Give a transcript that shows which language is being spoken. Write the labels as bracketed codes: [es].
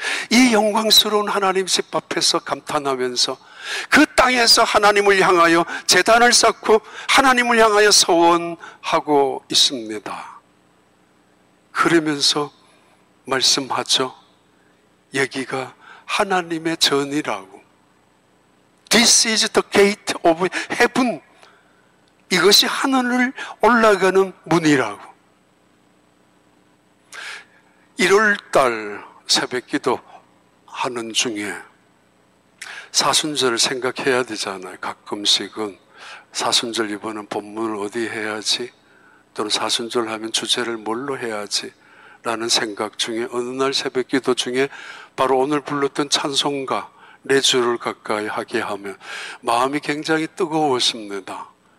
[ko] 이 영광스러운 하나님 집 앞에서 감탄하면서 그 땅에서 하나님을 향하여 제단을 쌓고 하나님을 향하여 서원하고 있습니다. 그러면서 말씀하죠. 여기가 하나님의 전이라고. [en] This is the gate of heaven. [ko] 이것이 하늘을 올라가는 문이라고. 1월달 새벽기도 하는 중에 사순절을 생각해야 되잖아요. 가끔씩은 사순절 이번은 본문을 어디 해야지, 또는 사순절 하면 주제를 뭘로 해야지 라는 생각 중에 어느 날 새벽기도 중에 바로 오늘 불렀던 찬송가 내 주를 가까이 하게 하면 마음이 굉장히 뜨거웠습니다.